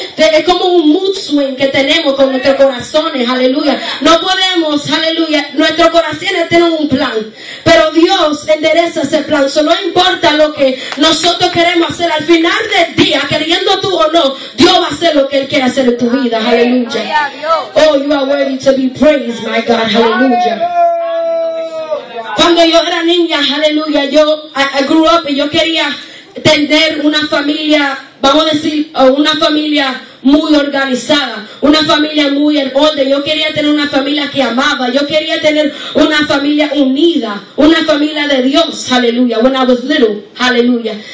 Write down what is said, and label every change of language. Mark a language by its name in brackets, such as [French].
[Spanish] Es como un mood swing que tenemos con nuestros corazones, hallelujah. No podemos, hallelujah, nuestros corazones tienen un plan, pero Dios endereza ese plan. So no importa lo que nosotros queremos hacer, al final del día, queriendo tú o no, Dios va a hacer lo que Él quiere hacer en tu vida. Aleluya. [English] Oh, you are worthy to be praised, my God. [Spanish] Aleluya. Cuando yo era niña, aleluya, yo [English] I grew up [Spanish] y yo quería tener una familia, vamos a decir, una familia muy organizada, una familia muy en orden. Yo quería tener una familia que amaba, yo quería tener una familia unida, una familia de Dios, aleluya, [English] when I was little, [Spanish] aleluya.